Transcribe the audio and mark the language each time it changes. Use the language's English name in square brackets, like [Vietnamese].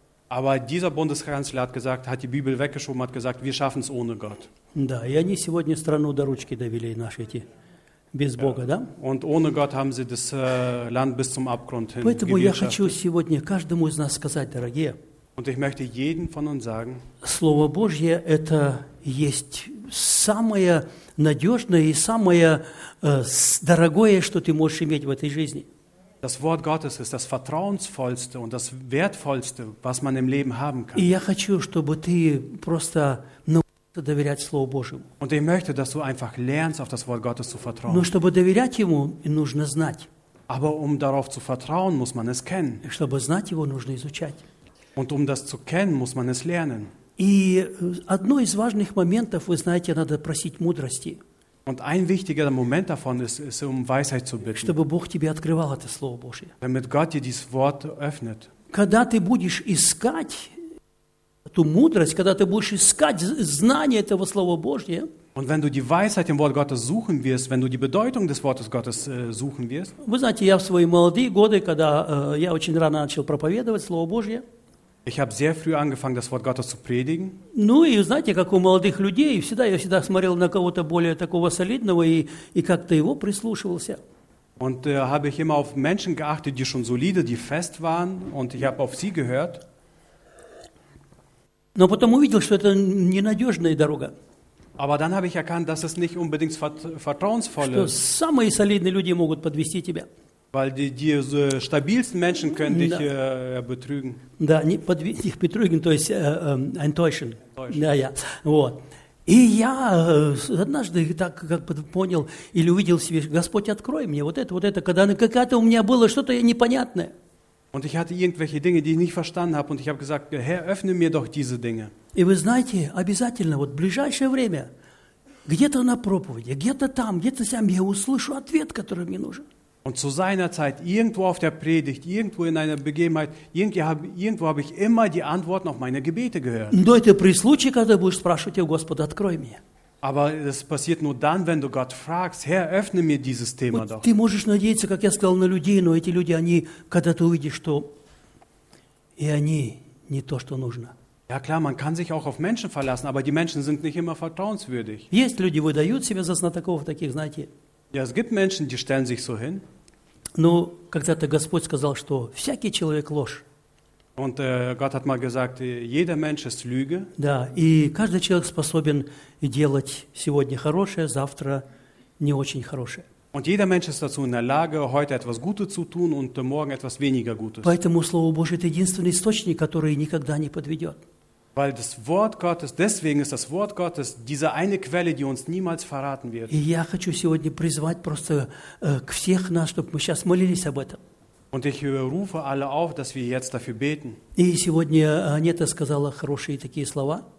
[German] Aber dieser Bundeskanzler hat gesagt, hat die Bibel weggeschoben, hat gesagt, wir schaffen es ohne Gott. [Russian] Да, и они сегодня страну до ручки довели наши эти без Бога, да? [German] Und ohne Gott haben sie das Land bis zum Abgrund hin. [Russian] Поэтому я хочу сегодня каждому из нас сказать, дорогие. [German] Und ich möchte jeden von uns sagen. [Russian] Слово Божье это есть самое надежное и самое дорогое, что ты можешь иметь в этой жизни. [German] Das Wort Gottes ist das vertrauensvollste und das wertvollste, was man im Leben haben kann. [Russian] И я хочу, чтобы ты просто доверять Слову Божьему. [German] Und ich möchte, dass du einfach lernst, auf das Wort Gottes zu vertrauen. [Russian] Но чтобы доверять Ему, нужно знать. [German] Aber um darauf zu vertrauen, muss man es kennen. [Russian] Чтобы знать Его, нужно изучать. [German] Und um das zu kennen, muss man es lernen. [Russian] И одно из важных моментов, вы знаете, надо просить мудрости. [German] Und ein wichtiger Moment davon ist, um Weisheit zu bitten. [Russian] Чтобы Бог тебе открывал это Слово Божье. [German] Damit Gott dir dieses Wort öffnet. [Russian] Когда ты будешь искать ту мудрость, когда ты будешь искать знание этого Слова Божьего. [German] Und wenn du die Weisheit im Wort Gottes suchen wirst, wenn du die Bedeutung des Wortes Gottes suchen wirst. [Russian] Вы знаете, я в свои молодые годы, когда я очень рано начал проповедовать Слово Божье. [German] Ich habe sehr früh angefangen, das Wort Gottes zu predigen. [Russian] Ну и знаете, как у молодых людей, всегда я всегда смотрел на кого-то более такого солидного и как-то его прислушивался. [German] Und habe ich immer auf Menschen geachtet, die schon solide, die fest waren, und ich habe auf sie gehört. [Russian] Но потом увидел, что это ненадежная дорога. [German] Aber dann habe ich erkannt, dass es nicht unbedingt vertrauensvolle. [Russian] Что самые солидные люди могут подвести тебя. [German] Weil die stabilsten Menschen können dich betrügen. [Russian] Да, не подвести, их betrügen, то есть enttäuschen. Да, ja. Вот. И я однажды так как бы понял или увидел себе, Господь, открой мне вот это, когда какая-то у меня было что-то непонятное. [German] Und ich hatte irgendwelche Dinge, die ich nicht verstanden habe. Und ich habe gesagt, Herr, öffne mir doch diese Dinge. [Russian] И вы знаете, обязательно, вот в ближайшее время, где-то на проповеди, где-то там, где-то сам, я услышу ответ, который мне нужен. [German] Und zu seiner Zeit, irgendwo auf der Predigt, irgendwo in einer Begebenheit, irgendwo habe ich immer die Antworten auf meine Gebete gehört. [Russian] Но это при случае, когда будешь спрашивать, Господи, открой мне. [German] Aber es passiert nur dann, wenn du Gott fragst, Herr, öffne mir dieses Thema doch. [Russian] Ты можешь надеяться, как я сказал, на людей, но эти люди, они, когда ты увидишь, что и они не то, что нужно. [German] Ja klar, man kann sich auch auf Menschen verlassen, aber die Menschen sind nicht immer vertrauenswürdig. [Russian] Есть люди, выдают себя за знатоков таких, знаете. [German] Ja, es gibt Menschen, die stellen sich so hin. [Russian] Но когда-то Господь сказал, что всякий человек ложь. [German] Und Gott hat mal gesagt, jeder Mensch ist Lüge. [Russian] Да, и каждый человек способен делать сегодня хорошее, завтра не очень хорошее. [German] Und jeder Mensch ist dazu in der Lage, heute etwas Gutes zu tun und morgen etwas weniger Gutes. [Russian] Поэтому Слово Божье – это единственный источник, который никогда не подведет. [German] Weil das Wort Gottes, deswegen ist das Wort Gottes diese eine Quelle, die uns niemals verraten wird. [Russian] И я хочу сегодня призвать просто к всех нас, чтобы мы сейчас молились об этом. [German] Und ich rufe alle auf, dass wir jetzt dafür beten. [Russian] И сегодня Анета сказала хорошие такие слова.